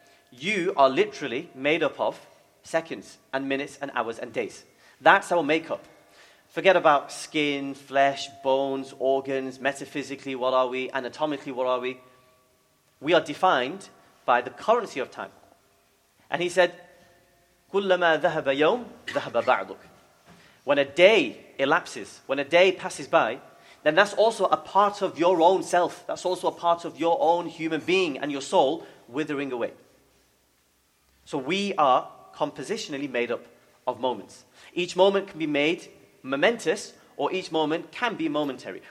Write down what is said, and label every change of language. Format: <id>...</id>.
<en>You are literally made up of seconds and minutes and hours and days. That's our makeup. Forget about skin, flesh, bones, organs, metaphysically, what are we? Anatomically, what are we? We are defined by the currency of time.</en> <ar>And he said, كُلَّمَا ذَهَبَ يَوْمْ ذَهَبَ بَعْضُكْ.</ar> <en>When a day elapses, when a day passes by, then that's also a part of your own self. That's also a part of your own human being and your soul withering away. So we are compositionally made up of moments. Each moment can be made momentous, or each moment can be momentary.</en>